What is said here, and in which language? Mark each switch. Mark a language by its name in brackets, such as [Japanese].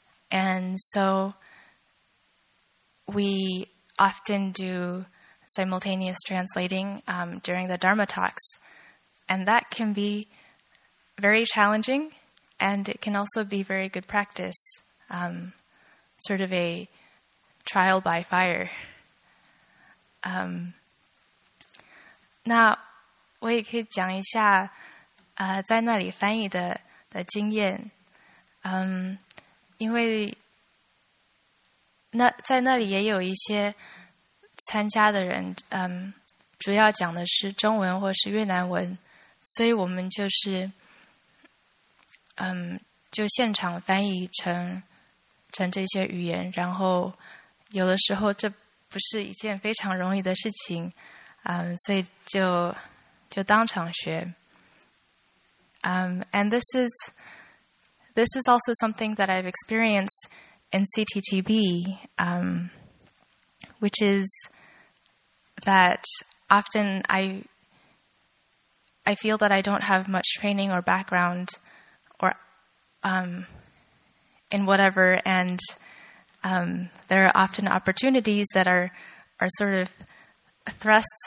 [English] And so we often do simultaneous translating during the Dharma talks. And that can be very challenging, and it can also be very good practice, sort of a trial by fire. [Chinese] 那我也可以讲一下，在那里翻译的经验。因为在那里也有一些参加的人，主要讲的是中文或是越南文。所以我们就是就现场翻译成这些语言，然后有的时候这不是一件非常容易的事情，所以就当场学。 [English] And this is also something that I've experienced in CTTB, which is that often I feel that I don't have much training or background or in whatever, and there are often opportunities that are sort of thrust